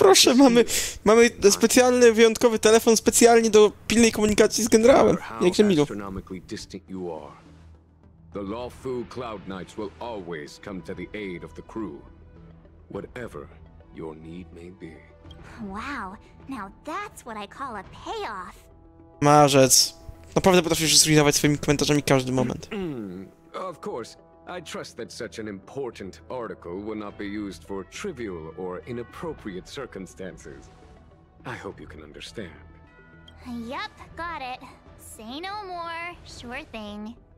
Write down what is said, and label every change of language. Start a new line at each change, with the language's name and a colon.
Polish: A proszę, mamy specjalny, wyjątkowy telefon specjalnie do pilnej komunikacji z generałem. Jakże miło.
English: Astronomically distant you are. The Lawfu Cloud Knights will always come to the aid of the crew, whatever your need may be. Wow, now that's what I call a payoff.
Polish: Marzec. Naprawdę potrafisz zrujnować swoimi komentarzami każdy moment.
English: Of course, I trust that such an important article will not be used for trivial or inappropriate circumstances. I hope you can understand. Yep, got it. Say no more, sure thing.